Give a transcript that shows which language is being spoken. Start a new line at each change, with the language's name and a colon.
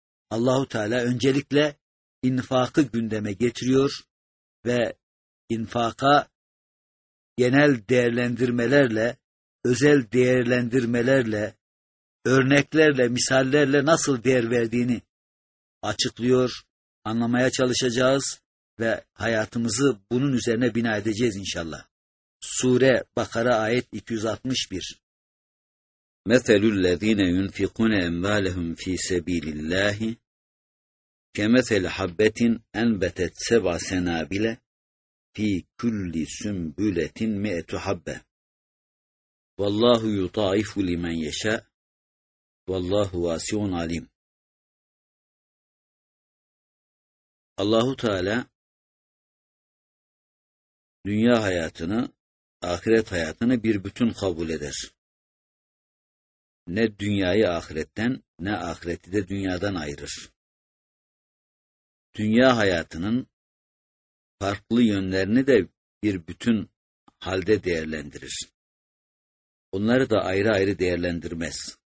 Turkish: Allah-u Teala öncelikle infakı gündeme getiriyor ve infaka genel değerlendirmelerle, özel değerlendirmelerle, örneklerle, misallerle nasıl değer verdiğini açıklıyor, anlamaya çalışacağız ve hayatımızı bunun üzerine bina edeceğiz inşallah. Sure Bakara ayet 261.
Arabic: مَثَلُ الَّذ۪ينَ يُنْفِقُونَ اَمْوَالَهُمْ ف۪ي سَب۪يلِ اللّٰهِ كَمَثَلْ حَبَّتٍ اَنْبَتَتْ سَبْعَ سَنَابِلَ ف۪ي كُلِّ سُنْبُلَةٍ مِئَةُ حَبَّةٍ وَاللّٰهُ يُطَعِفُ لِمَنْ يَشَاءُ وَاللّٰهُ وَاسِعٌ عَلِيمٌ
Turkish: Allah-u Teala dünya hayatını, ahiret hayatını bir bütün kabul eder. Ne dünyayı ahiretten, ne ahireti de dünyadan ayırır. Dünya hayatının farklı yönlerini de bir bütün halde değerlendirir. Onları da ayrı ayrı değerlendirmez.